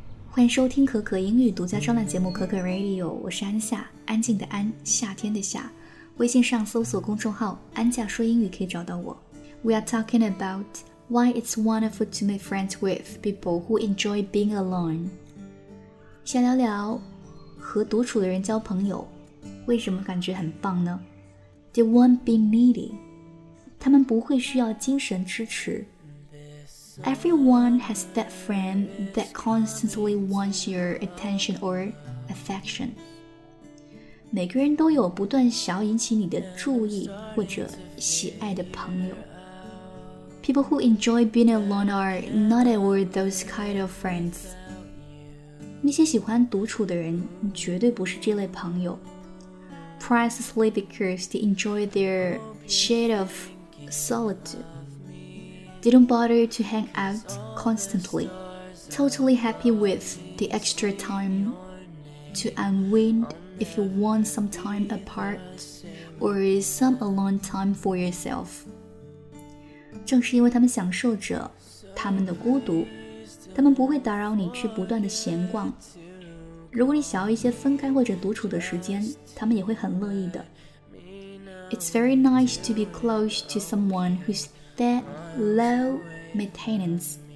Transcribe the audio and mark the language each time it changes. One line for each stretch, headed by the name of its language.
Chinese: 欢迎收听可可英语独家专栏节目可可 Radio， 我是安夏，安静的安，夏天的夏。微信上搜索公众号安夏说英语可以找到我。
English: We are talking about why it's wonderful to make friends with people who enjoy being alone。
Chinese: 先聊聊和独处的人交朋友为什么感觉很棒呢？
English: They won't be needy，
Chinese: 他们不会需要精神支持。
English: Everyone has that friend that constantly wants your attention or affection.
Chinese: 每个人都有不断想要引起你的注意或者喜爱的朋友。
English: People who enjoy being alone are not at all those kind of friends.
Chinese: 那些喜欢独处的人绝对不是这类朋友。
English: Priceless because they enjoy their shade of solitude. They don't bother to hang out constantly, totally happy with the extra time to unwind if you want some time apart or some alone time for yourself.
Chinese: 正是因为他们享受着他们的孤独，他们不会打扰你去不断的闲逛。如果你想要一些分开或者独处的时间，他们也会很乐意的。
English: It's very nice to be close to someone who'sThat low maintenance.